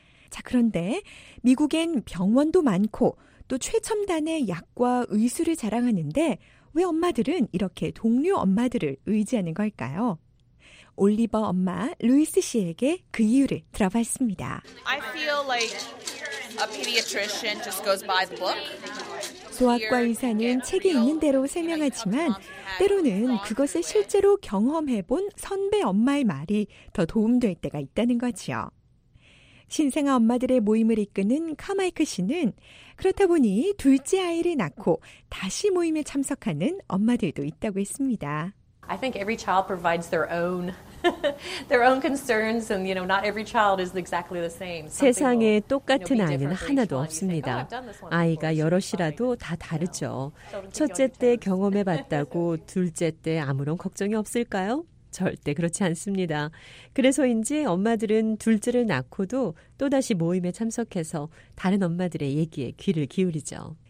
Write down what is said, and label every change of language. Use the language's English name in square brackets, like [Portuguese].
[Korean] 자, 그런데 미국엔 병원도 많고 또 최첨단의 약과 의술을 자랑하는데 왜 엄마들은 이렇게 동료 엄마들을 의지하는 걸까요? 올리버 엄마 루이스 씨에게 그 이유를 들어봤습니다. [English] I feel like a pediatrician just goes by the book. [Korean] 소아과 의사는 책에 있는 대로 설명하지만 때로는 그것을 실제로 경험해본 선배 엄마의 말이 더 도움될 때가 있다는 거지요. 신생아 엄마들의 모임을 이끄는 카마이크 씨는 그렇다 보니 둘째 아이를 낳고 다시 모임에 참석하는 엄마들도 있다고 했습니다. [English] I think every child provides their own their own concerns and you know not every child is exactly the same. [Korean] 세상에 똑같은 아이는 하나도 없습니다. 아이가 여럿이라도 다 다르죠. 첫째 때 경험해 봤다고 둘째 때 아무런 걱정이 없을까요? 절대 그렇지 않습니다. 그래서인지 엄마들은 둘째를 낳고도 또다시 모임에 참석해서 다른 엄마들의 얘기에 귀를 기울이죠.